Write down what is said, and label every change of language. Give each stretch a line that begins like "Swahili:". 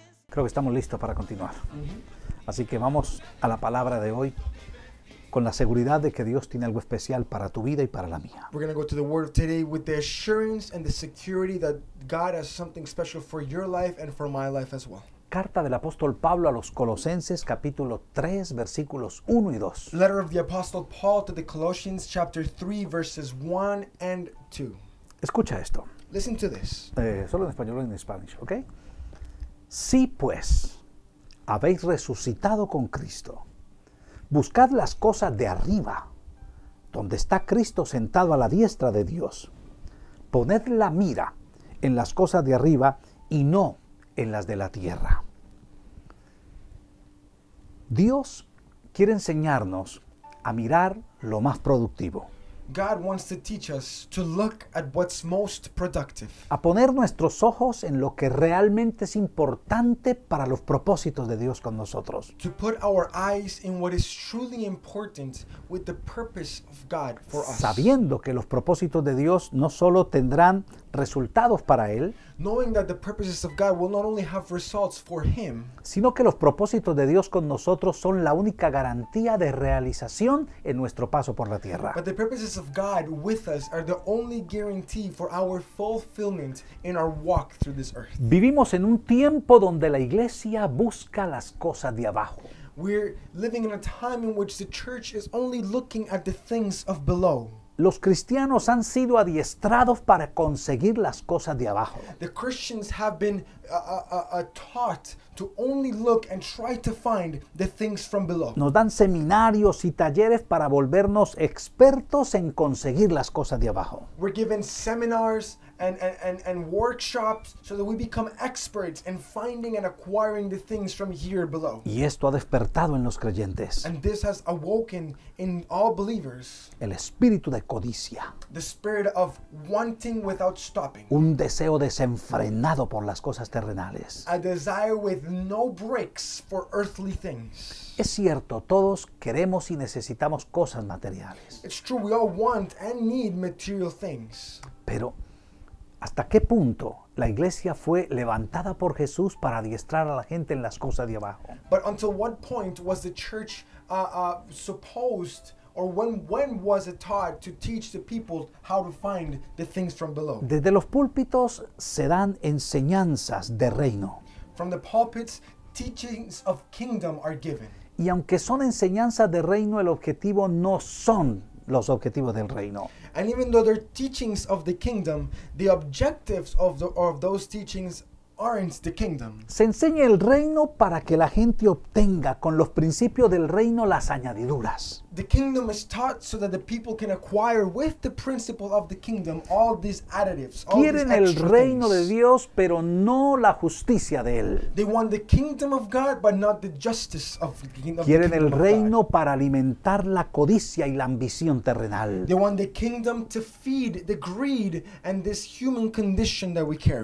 Spanish: Creo que estamos listos para continuar. Así que vamos a la palabra de hoy con la seguridad de que Dios tiene algo especial para tu vida y para la mía.
English: We're going to go to the word today with the assurance and the security that God has something special for your life and for my life as well.
Spanish: Carta del apóstol Pablo a los Colosenses, capítulo 3, versículos 1 y 2.
English: Letter of the apostle Paul to the Colossians, chapter 3, verses 1 and 2.
Spanish: Escucha esto.
English: Listen to this.
Spanish: Solo en español o en Spanish, ¿ok? Si, pues, habéis resucitado con Cristo, buscad las cosas de arriba, donde está Cristo sentado a la diestra de Dios. Poned la mira en las cosas de arriba y no en las de la tierra. Dios quiere enseñarnos a mirar lo más productivo.
English: God wants to teach us to look at what's most productive.
Spanish: A poner nuestros ojos en lo que realmente es importante para los propósitos de Dios con nosotros.
English: To put our eyes in what is truly important with the purpose of God for us.
Spanish: Sabiendo que los propósitos de Dios no solo tendrán resultados para Él,
English: knowing that the purposes of God will not only have results for Him,
Spanish: sino que los propósitos de Dios con nosotros son la única garantía de realización en nuestro paso por la tierra.
English: But the purposes of God with us are the only guarantee for our fulfillment in our walk through this earth.
Spanish: Vivimos en un tiempo donde la iglesia busca las cosas de abajo.
English: We're living in a time in which the church is only looking at the things of below.
Spanish: Los cristianos han sido adiestrados para conseguir las cosas de abajo.
English: The Christians have been taught to only look and try to find the things from below.
Spanish: Nos dan seminarios y talleres para volvernos expertos en conseguir las cosas de abajo.
English: We're given seminars and workshops so that we become experts in finding and acquiring the things from here below.
Spanish: Y esto ha despertado en los creyentes.
English: And this has awoken in all believers.
Spanish: El espíritu de codicia.
English: The spirit of wanting without stopping.
Spanish: Un deseo desenfrenado por las cosas terrenales.
English: A desire with no breaks for earthly things.
Spanish: Es cierto, todos queremos y necesitamos cosas materiales.
English: It's true, we all want and need material things.
Spanish: Pero ¿hasta qué punto la iglesia fue levantada por Jesús para adiestrar a la gente en las cosas de abajo?
English: But until what point was the church supposed, or when was it taught to teach the people how to find the things from below?
Spanish: Desde los púlpitos se dan enseñanzas de reino.
English: From the pulpits, teachings of kingdom are given.
Spanish: Y aunque son enseñanzas de reino, el objetivo no son los objetivos del reino.
English: And even though they're teachings of the kingdom, the objectives of those teachings aren't the kingdom.
Spanish: Se enseña el reino para que la gente obtenga con los principios del reino las añadiduras.
English: The kingdom is taught so that the people can acquire with the principle of the kingdom all these additives.
Spanish: Quieren
English: all these
Spanish: el reino
English: things.
Spanish: De Dios, pero no la justicia de él.
English: They want the kingdom of God, but not the justice of the kingdom.
Spanish: Quieren
English: the kingdom
Spanish: el reino
English: of God.
Spanish: Para alimentar la codicia y la ambición terrenal.
English: They want the kingdom to feed the greed and this human condition that we carry.